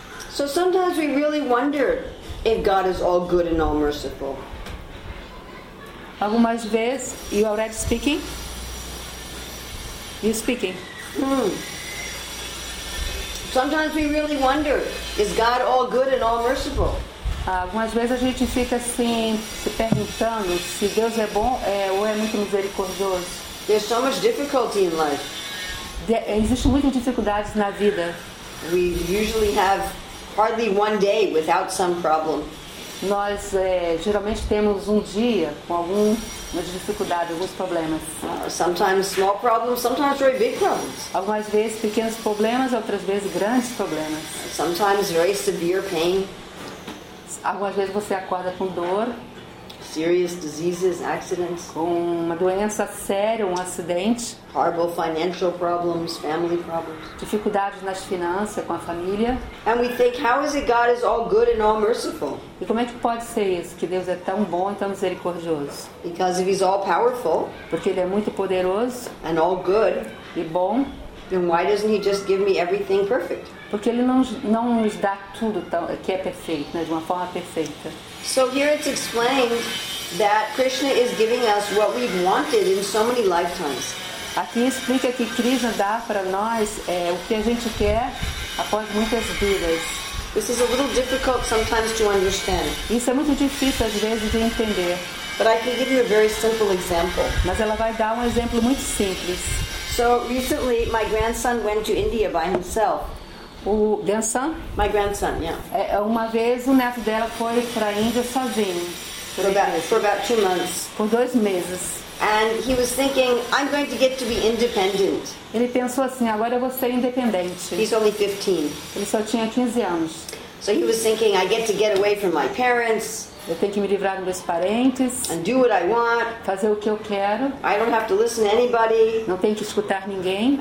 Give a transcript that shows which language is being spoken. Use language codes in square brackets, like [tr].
[en] So sometimes we really wonder if God is all good and all merciful. Algumas vezes, you already speaking? You speaking? Sometimes we really wonder, is God all good and all merciful? [pt] Algumas vezes a gente fica assim, se perguntando se Deus é bom ou é muito misericordioso. [en] There's so much difficulty in life. [pt] Existem muitas dificuldades na vida. [en] We usually have hardly one day without some problem. [pt] Nós geralmente temos um dia com alguma dificuldade, alguns problemas. [en] Sometimes small problems, sometimes very big problems. [pt] Algumas vezes pequenos problemas, outras vezes grandes problemas. [en] Sometimes very severe pain. [pt] Algumas vezes você acorda com dor. [en] Serious diseases, accidents. [pt] Com uma doença séria, um acidente. [en] Horrible financial problems, family problems. [pt] Dificuldades nas finanças, com a família. [en] And we think, how is it God is all good and all merciful? [pt] E como é que pode ser isso, que Deus é tão bom e tão misericordioso? [en] Because if he's all powerful. [pt] Porque ele é muito poderoso. [en] And all good. [pt] E bom. [en] Then why doesn't he just give me everything perfect? [pt] Porque ele não nos dá tudo que é perfeito, né, de uma forma perfeita. [en] So here it's explained that Krishna is giving us what we've wanted in so many lifetimes. [pt] Aqui explica que Krishna dá para nós o que a gente quer após muitas vidas. [en] This is a little difficult sometimes to understand. [pt] Isso é muito difícil às vezes de entender. [en] But I can give you a very simple example. [pt] Mas ela vai dar um exemplo muito simples. [en] So recently my grandson went to India by himself. [pt] O grandson? [en] My grandson, yeah. [pt] Uma vez o neto dela foi para a Índia sozinho. [en] For about 2 months. [pt] Por 2 meses. [en] And he was thinking, I'm going to get to be independent. [pt] Ele pensou assim, agora eu vou ser independente. [en] He's only 15. [pt] Ele só tinha 15 anos. [en] So he was thinking, I get to get away from my parents. [pt] Eu tenho que me livrar dos meus parentes. [en] And do what I want. [pt] Fazer o que eu quero. [en] I don't have to listen to anybody. [pt] Não tenho que escutar ninguém.